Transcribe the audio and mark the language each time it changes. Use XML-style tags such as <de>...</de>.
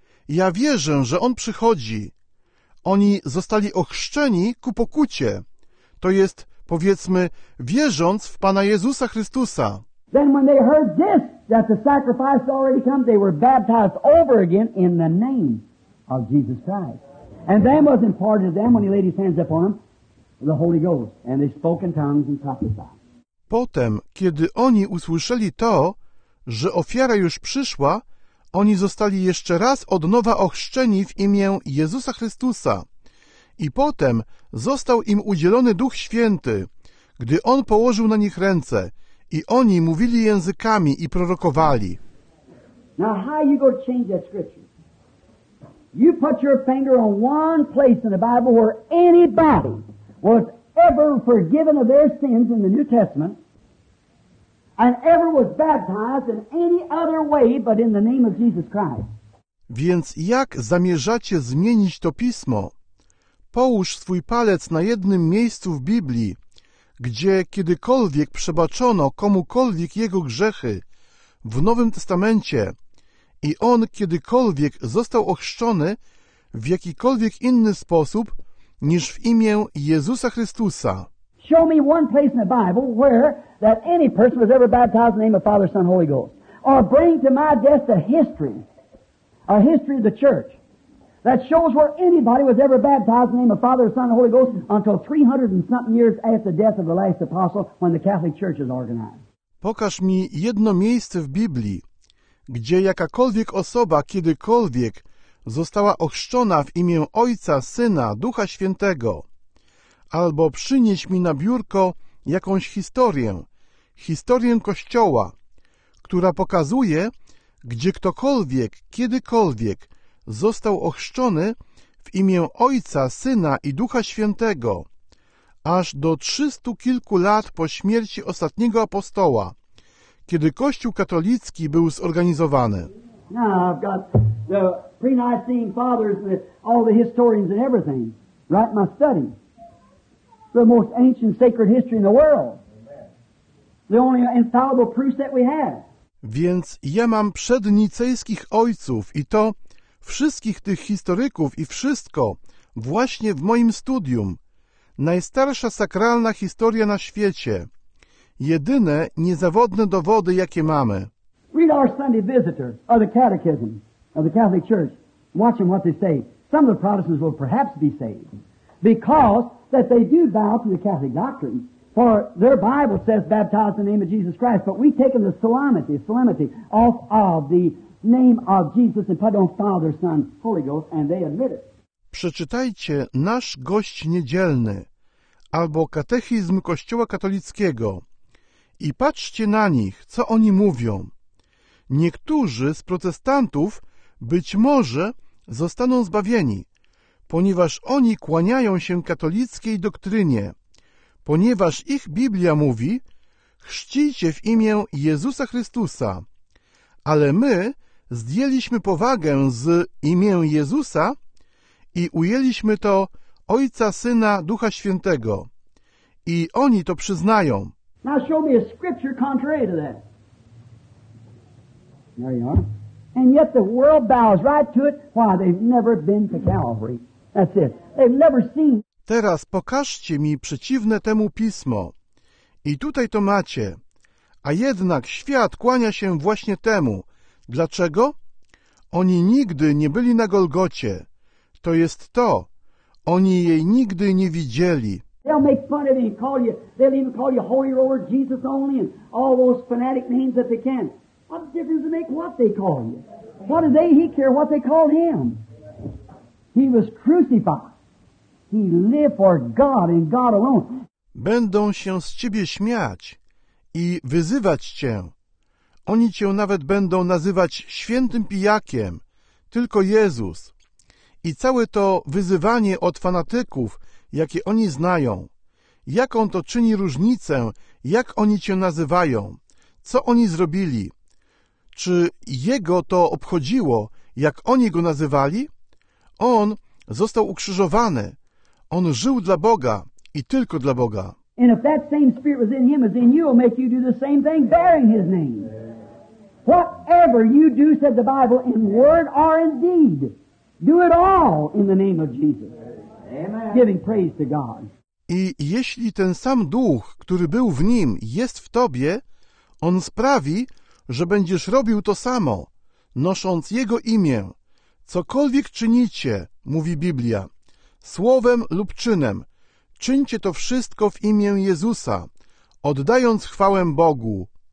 <pl>Ja wierzę, że On przychodzi. Oni zostali ochrzczeni ku pokucie. To jest, powiedzmy, wierząc w Pana Jezusa Chrystusa.</pl> <en>Then when they heard this, that the sacrifice already come, they were baptized over again in the name of Jesus Christ. And then was imparted to them, when he laid his hands upon them, the Holy Ghost, and they spoke in tongues and prophesied.</en> <pl>Potem, kiedy oni usłyszeli to, że ofiara już przyszła, oni zostali jeszcze raz od nowa ochrzczeni w imię Jezusa Chrystusa. I potem został im udzielony Duch Święty, gdy On położył na nich ręce, i oni mówili językami i prorokowali.</pl> <en>Now how you go to change that scripture? You put your finger on one place in the Bible where anybody was ever forgiven of their sins in the New Testament and ever was baptized in any other way but in the name of Jesus Christ.</en> <pl>Więc jak zamierzacie zmienić to pismo? Połóż swój palec na jednym miejscu w Biblii, gdzie kiedykolwiek przebaczono komukolwiek jego grzechy w Nowym Testamencie i on kiedykolwiek został ochrzczony w jakikolwiek inny sposób niż w imię Jezusa Chrystusa.</pl> <en>Show me one place in the Bible where that any person was ever baptized in the name of Father, Son, Holy Ghost. Or bring to my desk a history of the church that shows where anybody was ever baptized in the name of Father, Son, and Holy Ghost until 300 and something years after the death of the last apostle when the Catholic Church is organized.</en> <pl>Pokaż mi jedno miejsce w Biblii, gdzie jakakolwiek osoba kiedykolwiek została ochrzczona w imię Ojca, Syna, Ducha Świętego. Albo przynieś mi na biurko jakąś historię Kościoła, która pokazuje, gdzie ktokolwiek, kiedykolwiek został ochrzczony w imię Ojca, Syna i Ducha Świętego aż do 300 kilku lat po śmierci ostatniego apostoła, kiedy Kościół katolicki był zorganizowany.</pl> <en>Now I've got the pre-Nicene fathers and all the historians and everything right in my study. The most ancient sacred history in the world. The only infallible proof that we have.</en> <pl>Więc ja mam przednicejskich ojców i to wszystkich tych historyków i wszystko właśnie w moim studium. Najstarsza sakralna historia na świecie. Jedyne niezawodne dowody, jakie mamy.</pl> <en>Read our Sunday Visitor or the Catechism of the Catholic Church. Watch them what they say. Some of the Protestants will perhaps be saved because that they do bow to the Catholic doctrine. For their Bible says baptize in the name of Jesus Christ, but we've taken the solemnity off of the name of Jesus and put on Father, Son, Holy Ghost, and they admit it.</en> <pl>Przeczytajcie Nasz Gość Niedzielny albo Katechizm Kościoła Katolickiego i patrzcie na nich, co oni mówią. Niektórzy z protestantów być może zostaną zbawieni, ponieważ oni kłaniają się katolickiej doktrynie, ponieważ ich Biblia mówi: chrzcijcie w imię Jezusa Chrystusa. Ale my zdjęliśmy powagę z imię Jezusa i ujęliśmy to Ojca, Syna, Ducha Świętego. I oni to przyznają.</pl> <en>Now show me a scripture contrary to that. There you are. And yet the world bows right to it. Why, they've never been to Calvary. That's it. They've never seen.</en> <pl>Teraz pokażcie mi przeciwne temu pismo. I tutaj to macie. A jednak świat kłania się właśnie temu. Dlaczego? Oni nigdy nie byli na Golgocie. To jest to. Oni jej nigdy nie widzieli.</pl> <en>They'll make fun of you and call you. They'll even call you Holy Roller, Jesus Only, and all those fanatic names that they can. What the difference does it make what they call you? What do they he care what they call him? He was crucified. He lived for God and God alone.</en> <pl>Będą się z ciebie śmiać i wyzywać cię. Oni cię nawet będą nazywać świętym pijakiem, tylko Jezus. I całe to wyzywanie od fanatyków, jakie oni znają. Jaką to czyni różnicę, jak oni cię nazywają? Co oni zrobili? Czy jego to obchodziło, jak oni go nazywali? On został ukrzyżowany. On żył dla Boga i tylko dla Boga.</pl> <en>And if that same spirit was in him as in you, it'll make you do the same thing bearing his name. Whatever you do, said the Bible, in word or in deed, do it all in the name of Jesus. Amen. Giving praise to God.</en> <pl>I jeśli ten sam duch, który był w nim, jest w tobie, on sprawi, że będziesz robił to samo, nosząc jego imię. Cokolwiek czynicie, mówi Biblia, słowem lub czynem, czyńcie to wszystko w imię Jezusa, oddając chwałę Bogu.</pl>